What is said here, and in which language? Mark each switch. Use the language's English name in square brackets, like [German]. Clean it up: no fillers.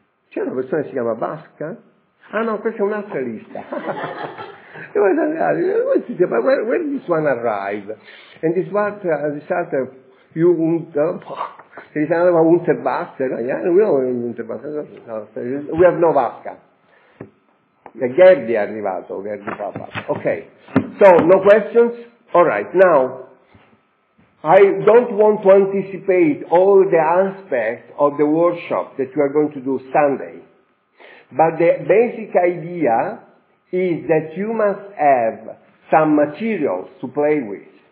[Italian] C'è una persona che si chiama Basca? Ah no, questa è un'altra lista. [English] Where did this one arrive? And this one, this other, you won't, there is another one, Unterbaster. Yeah, we all know Unterbaster. We have no Vasca. [Italian] Gerdi è arrivato, Gerdi Papa. [English] Okay. So, no questions? Alright, now, I don't want to anticipate all the aspects of the workshop that we are going to do Sunday. But the basic idea is that you must have some materials to play with.